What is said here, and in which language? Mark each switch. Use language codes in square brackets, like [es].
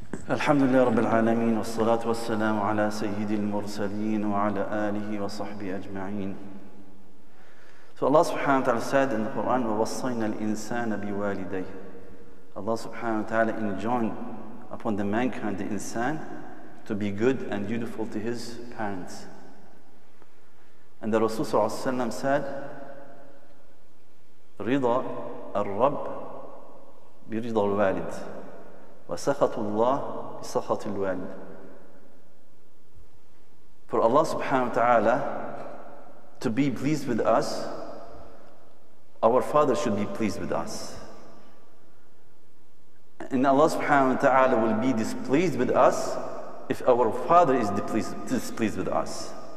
[ar] الحمد لله رب العالمين والصلاة والسلام على سيد المرسلين وعلى آله وصحبه أجمعين. [en] So Allah subhanahu wa ta'ala said in the Quran, [ar] وَوَصَّيْنَا الْإِنسَانَ بِوَالِدَيْهِ. [en] Allah subhanahu wa ta'ala enjoined upon the mankind, the insan, to be good and dutiful to his parents. And the Rasul Sallallahu Alaihi Wasallam said, [ar] رِضَى الرَّبِّ بِرِضَى الْوَالِدِ وَسَخَطُ اللَّهِ بِسَخَطِ الْوَالِدِ. [en] For Allah subhanahu wa ta'ala to be pleased with us, our father should be pleased with us. And Allah subhanahu wa ta'ala will be displeased with us if our father is displeased with us.